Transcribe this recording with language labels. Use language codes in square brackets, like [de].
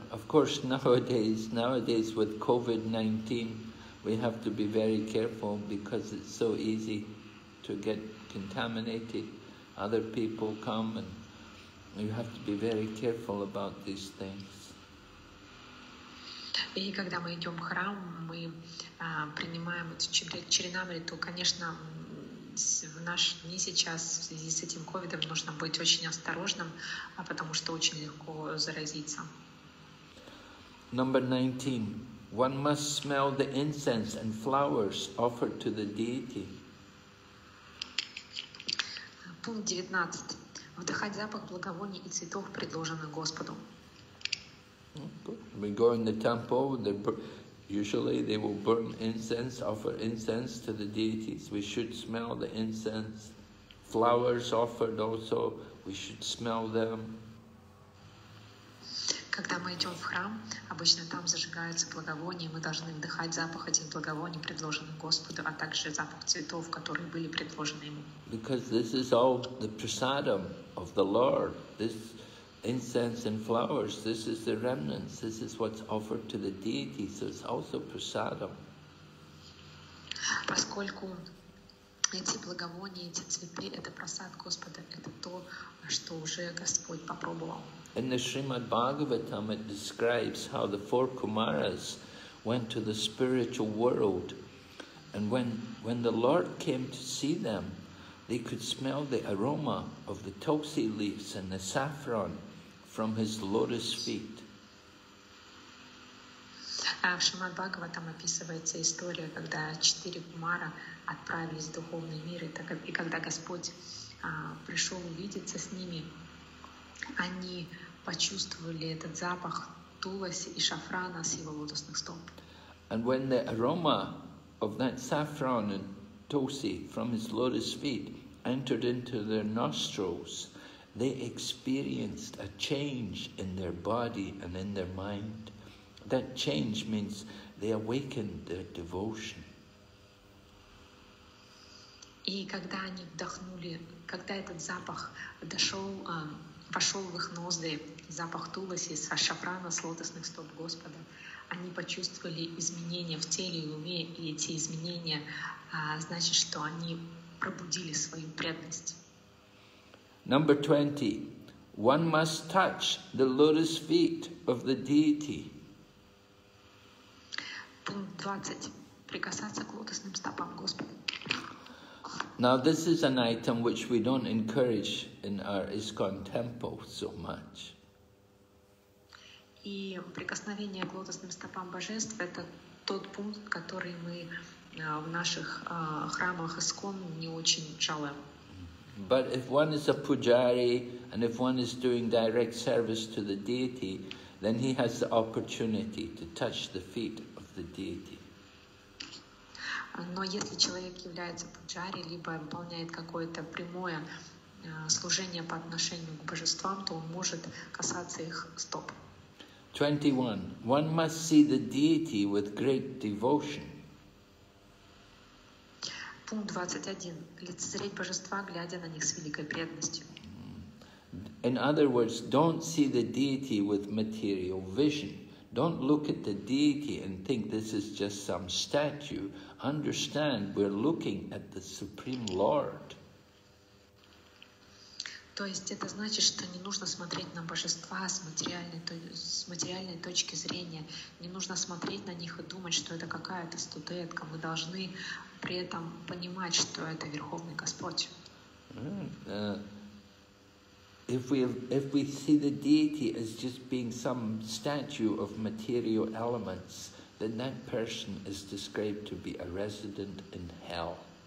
[en] Of course, nowadays with COVID-19, we have to be very careful because it's so easy to get contaminated, other people come, and you have to be very careful about these things. [ru] И когда мы идем в храм, мы принимаем чаранамриту. Конечно, в наши дни сейчас в связи с этим ковидом нужно быть очень осторожным, потому что очень легко заразиться. [en] Number 19. One must smell the incense and flowers offered to the deity. [ru] Пункт 19. Вдыхать запах благовоний и цветов, предложенных Господу. [en] We go in the temple, usually they will burn incense, offer incense to the deities. We should smell the incense. Flowers offered also, we should smell them. [ru] Когда мы идем в храм, обычно там зажигаются благовония, мы должны вдыхать запах этих благовоний, предложенных Господу, а также запах цветов, которые были предложены ему. [en] Because this is all the prasadam of the Lord. This incense and flowers, this is the remnants, this is what's offered to the deity, so it's also prasadam. [ru] Поскольку эти благовония, эти цветы, это прасад Господа, это то, что уже Господь попробовал. [en] In the Srimad Bhagavatam, it describes how the four Kumaras went to the spiritual world. And when the Lord came to see them, they could smell the aroma of the tulsi leaves and the saffron from his lotus feet. [ru] В Шримад Бхагаватам описывается история, когда четыре Кумара отправились в духовный мир, и когда Господь пришел увидеться с ними, они почувствовали этот запах туласи и шафрана с его лотосных стоп. [en] And when the aroma of that saffron and tulsi from his lotus feet entered into their nostrils, they experienced a change in their body and in their mind. That change means they awakened their devotion. [ru] И когда они вдохнули, когда этот запах дошел, вошел в их ноздри, запах туласи, шафрана с лотосных стоп Господа, они почувствовали изменения в теле и уме, и эти изменения значит, что они пробудили свою преданность. [en] Number 20. One must touch the lotus feet of the deity. [ru] Пункт 20. Прикасаться к лотосным стопам Господа. [en] Now this is an item which we don't encourage in our ISKCON temple so much. [ru] И прикосновение к лотосным стопам божеств — это тот пункт, который мы в наших храмах ISKCON не очень жалуем. [en] But if one is a pujari and if one is doing direct service to the deity, then he has the opportunity to touch the feet of the deity. [ru] Но если человек является пуджари, либо выполняет какое-то прямое служение по отношению к божествам, то он может касаться их стоп. [en] 21. One must see the deity with great devotion. [ru] Пункт 21. Лицезреть божества, глядя на них с великой преданностью. [en] In other words, don't see the deity with material vision. Don't look at the deity and think this is just some statue. Understand, we're looking at the Supreme Lord. [ru] То есть это значит, что не нужно смотреть на божества с материальной точки зрения. Не нужно смотреть на них и думать, что это какая-то статуэтка. Мы должны при этом понимать, что это Верховный Господь. [en] If we see the deity as just being some statue of material elements, then that person is described to be a resident in hell.